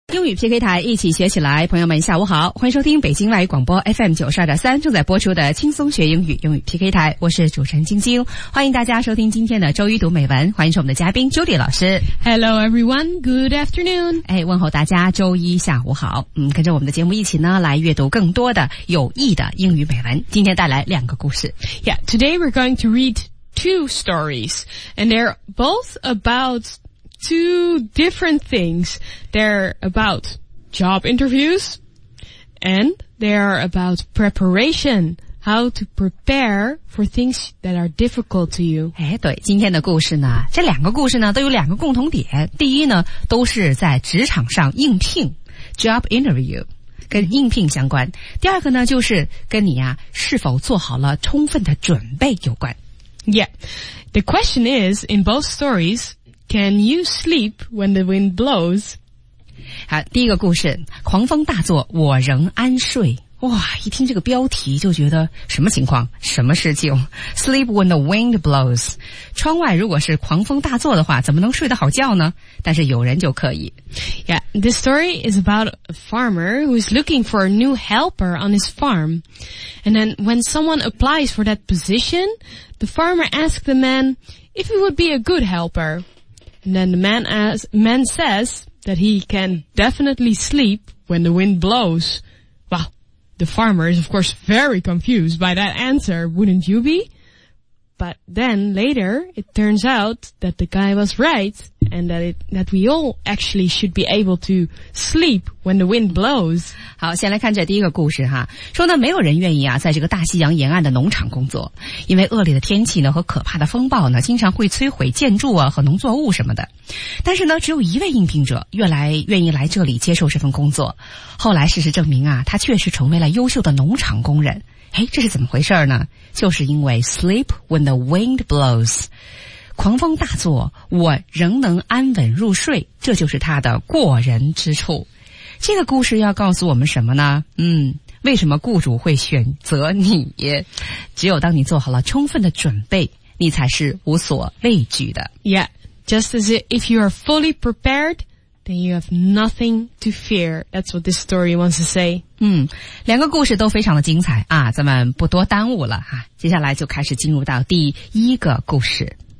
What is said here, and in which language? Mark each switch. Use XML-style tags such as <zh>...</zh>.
<zh>英语 PK 台一起学起来，朋友们下午好，欢迎收听北京外语广播 FM92.3 正在播出的轻松学英语英语 PK 台，我是主持人晶晶，欢迎大家收听今天的周一读美文，欢迎是我们的嘉宾 Judy 老师。</zh> <en>Hello everyone, good afternoon.</en> <zh>哎，问候大家周一下午好。嗯，跟着我们的节目一起呢来阅读更多的有益的英语美文，今天带来两个故事。</zh> <en>Yeah, today we're going to read two stories, and they're both aboutTwo different things. They're about job interviews and they are about preparation. How to prepare for things that are difficult to you.</en> <zh>哎，对，今天的故事呢，这两个故事呢都有两个共同点。第一呢，都是在职场上应聘 ,job interview, 跟应聘相关。第二个呢，就是跟你啊是否做好了充分的准备有关。</zh> <en>Yeah. The question is, in both stories,Can you sleep when the wind blows?</en> <zh>好，第一个故事，狂风大作，我仍安睡。哇，一听这个标题就觉得什么情况，什么事情 ？</zh> <en>Sleep when the wind blows.</en> <zh>窗外如果是狂风大作的话，怎么能睡得好觉呢？但是有人就可以。</zh> <en>Yeah, this story is about a farmer who is looking for a new helper on his farm. And then when someone applies for that position, the farmer asks the man if he would be a good helper. And then the man says that he can definitely sleep when the wind blows. Well, the farmer is of course very confused by that answer, wouldn't you be? But then later it turns out that the guy was right and that we all actually should be able to sleep when the wind blows.</en> <zh>好，先来看这第一个故事哈。说呢，没有人愿意啊在这个大西洋沿岸的农场工作，因为恶劣的天气呢和可怕的风暴呢经常会摧毁建筑啊和农作物什么的。但是呢，只有一位应聘者愿意来这里接受这份工作。后来事实证明啊，他确实成为了优秀的农场工人。诶，这是怎么回事呢？就是因为 sleep when the wind blows, 狂风大作，我仍能安稳入睡，这就是他的过人之处。这个故事要告诉我们什么呢？为什么雇主会选择你？只有当你做好了充分的准备，你才是无所畏惧的。</zh> <en>Yeah, just as if you are fully prepared,Then you have nothing to fear. That's what this story wants to say.</en> <zh>两个故事都非常的精彩啊，咱们不多耽误了哈、啊，接下来就开始进入到第一个故事。</zh>